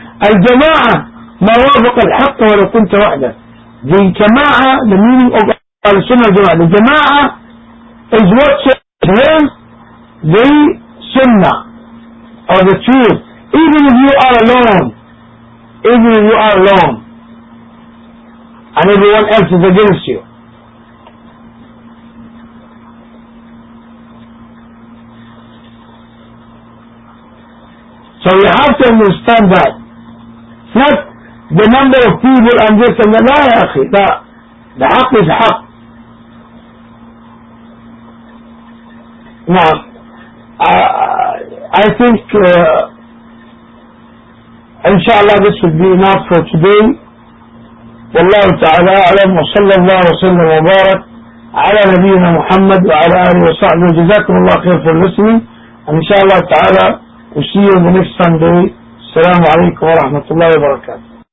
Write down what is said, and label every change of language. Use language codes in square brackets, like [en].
[ar] الجماعة ما وافق الحق ولو كنت وحدك. [en] The جماعة, the meaning of [ar] السنة الجماعة. [en] The جماعة is what says the سنة or the truth. Even if you are alone, even if you are alone, and everyone else is against you. So we have to understand that. Not the number of people and this and that. No, akhi. The haqq is haqq. Now, I think inshallah this will be enough for today. [ar] والله تعالى أعلم وصلى الله وسلم وبارك على نبينا محمد وعلى آله وصحبه. جزاكم الله خير في المسلمين. إن شاء الله تعالى [en] we'll see you the next Sunday. [ar] السلام عليكم ورحمة الله وبركاته.